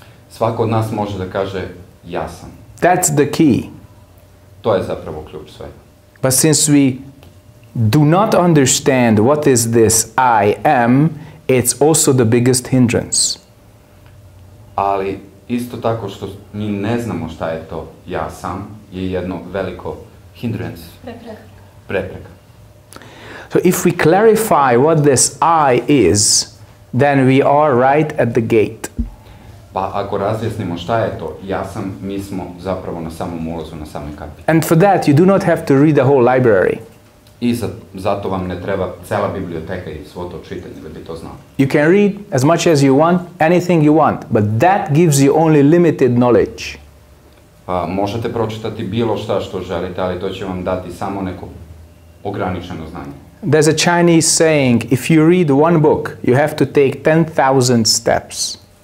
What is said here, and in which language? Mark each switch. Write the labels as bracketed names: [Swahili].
[Serbian] Svako od nas može da kaže ja sam. [English] That's the key. [Serbian] To je zapravo ključ svega. [English] But since we do not understand what is this I am, it's also the biggest hindrance. [Serbian] Ali isto tako što mi ne znamo šta je to ja sam, je jedno veliko hindrance. Prepreka. [English] So if we clarify what this I is, then we are right at the gate. [Serbian] Pa ako razjasnimo šta je to ja sam, mi smo zapravo na samom ulazu, na samoj kapi. [English] And for that you do not have to read the whole library. [Serbian] I zato vam ne treba cela biblioteka i svo to čitanje da bi to znao. [English] You can read as much as you want, anything you want, but that gives you only limited knowledge. [Serbian] Pa možete pročitati bilo šta što želite, ali to će vam dati samo neko ograničeno znanje. [English] There's a Chinese saying, if you read one book, you have to take 10,000 steps.